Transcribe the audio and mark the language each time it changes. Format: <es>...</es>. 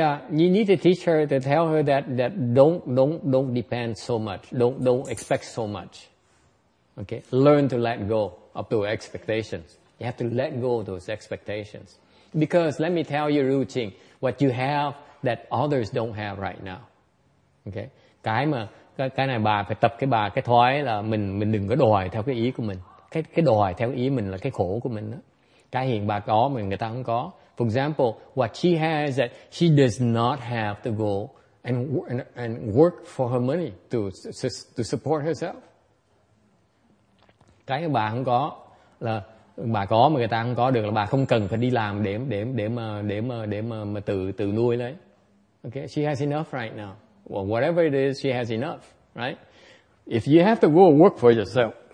<en>You need to teach her to tell her that don't depend so much. Don't expect so much. Okay? Learn to let go of those expectations. You have to let go of those expectations. Because let me tell you, Ru Ching, what you have that others don't have right now. Okay?</en> <vi>Cái này bà phải tập cái bà cái thói là mình đừng có đòi theo cái ý của mình. Cái đòi theo ý mình là cái khổ của mình đó. Cái hiện bà có mà người ta không có.</vi> <en>For example, what she has that she does not have to go and work for her money to support herself.</en> <vi>Cái bà không có là bà có mà người ta không có được là bà không cần phải đi làm để mà tự nuôi đấy.</vi> <en>Okay, she has enough right now. Well, whatever it is, she has enough, right? If you have to go work for yourself,</en>